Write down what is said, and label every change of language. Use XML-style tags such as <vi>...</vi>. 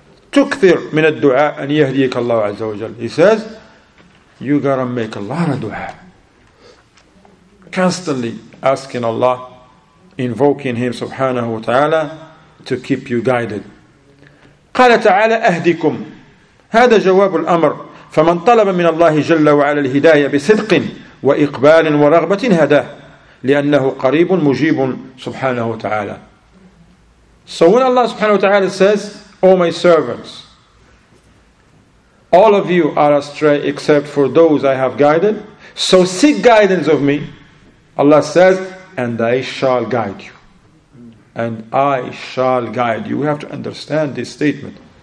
<ar>Tukthir min ad-du'a an yahdiyaka Allah azza wa jalla.</ar> <en>He says, you gotta make a lot of du'a. Constantly asking Allah, invoking Him subhanahu wa ta'ala to keep you guided.</en> <ar>قال تعالى أهدكم هذا جواب الأمر فمن طلب من الله جل وعلا الهداية بصدق وإقبال ورغبة هداه لأنه قريب مجيب سبحانه وتعالى.</ar> <en>So when Allah subhanahu wa ta'ala says, O my servants, all of you are astray except for those I have guided, so seek guidance of me, Allah says, and I shall guide you. And I shall guide you. We have to understand this statement.</en>